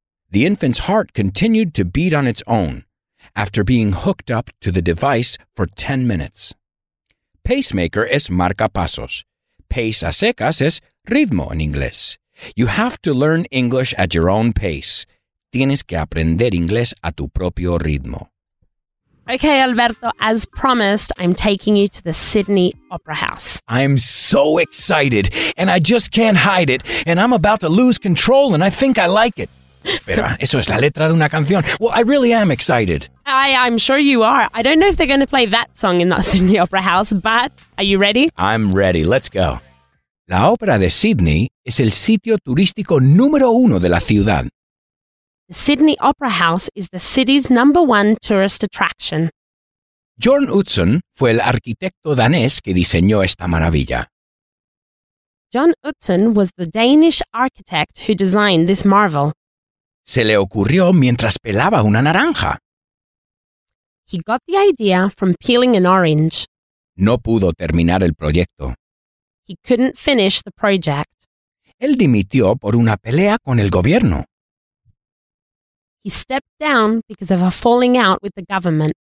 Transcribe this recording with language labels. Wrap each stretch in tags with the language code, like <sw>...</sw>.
<en>The infant's heart continued to beat on its own after being hooked up to the device for 10 minutes.</en> <es>Pacemaker es marcapasos. Pace a secas es ritmo en inglés.</es> <en>You have to learn English at your own pace.</en> <es>Tienes que aprender inglés a tu propio ritmo.</es> <en>Okay, Alberto, as promised, I'm taking you to the Sydney Opera House. I'm so excited, and I just can't hide it, and I'm about to lose control, and I think I like it.</en> <es>Espera, eso es la letra de una canción.</es> <en>Well, I really am excited. I'm sure you are. I don't know if they're going to play that song in the Sydney Opera House, but are you ready? I'm ready. Let's go.</en> <es>La Ópera de Sydney es el sitio turístico número uno de la ciudad.</es> <en>The Sydney Opera House is the city's number one tourist attraction.</en> <es>Jørn Utzon fue el arquitecto danés que diseñó esta maravilla.</es> <en>Jørn Utzon was the Danish architect who designed this marvel.</en> <es>Se le ocurrió mientras pelaba una naranja.</es> <en>He got the idea from peeling an orange.</en> <es>No pudo terminar el proyecto.</es> <en>He couldn't finish the project.</en> <es>Él dimitió por una pelea con el gobierno.</es> <en>He stepped down because of a falling out with the government.</en>